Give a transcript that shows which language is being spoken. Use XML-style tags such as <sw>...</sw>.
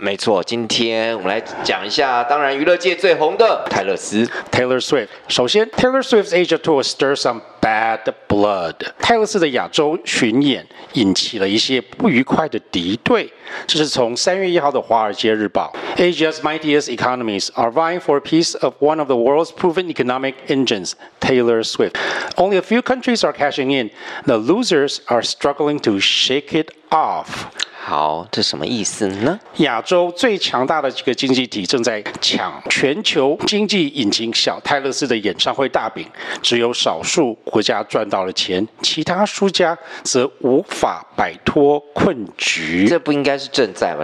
<zh>没错，今天我们来讲一下，当然娱乐界最红的泰勒斯</zh> <en>Taylor Swift。</en> <zh>首先</zh> <en>Taylor Swift's Asia Tour stir some bad blood，</en> <zh>泰勒斯的亚洲巡演引起了一些不愉快的敌对。这是从3月1号的华尔街日报。</zh> <en>Asia's mightiest economies are vying for a piece of one of the world's proven economic enginesTaylor Swift. Only a few countries are cashing in. The losers are struggling to shake it off.</en> <zh>好，这什么意思呢？亚洲最强大的几个经济体正在抢全球经济引擎小泰勒斯的演唱会大饼，只有少数国家赚到了钱，其他输家则无法摆脱困局。这不应该是正在吗？</zh>